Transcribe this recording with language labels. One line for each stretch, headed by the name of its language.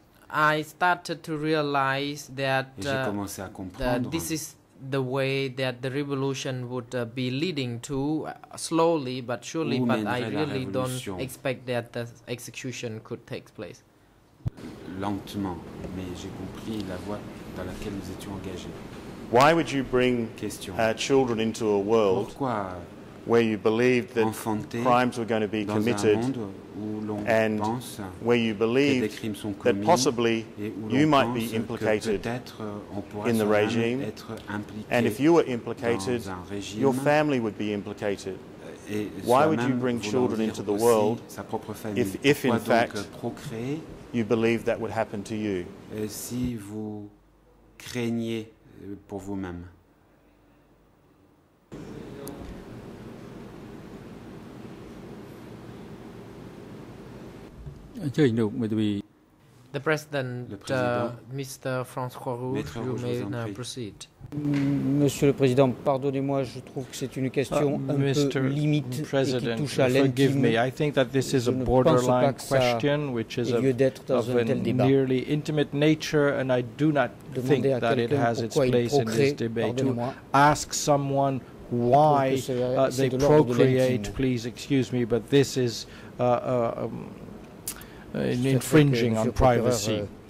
English: I started to realize that this is the way that the revolution would be leading to, slowly but surely, but I really don't expect that the execution could take place.
French: Lentement, mais j'ai compris la voie dans laquelle nous étions engagés.
English: Why would you bring children into a world where you believed that crimes were going to be committed and where you believed that possibly you might be implicated in the regime, and if you were implicated, your family would be implicated? Why would you bring children into the world if in fact you believed that would happen to you?
French: Si vous craignez pour vous-même.
English: The President, Mr. François Rouge, you may now proceed.
French: Monsieur le Président, pardonnez-moi, je trouve que c'est une question un peu limite et qui touche à l'intime.
English: I think that this is a borderline question, which is of a nearly intimate nature, and I do not think that it has its place in this debate. To ask someone why they procreate, please excuse me, but this is infringing on privacy.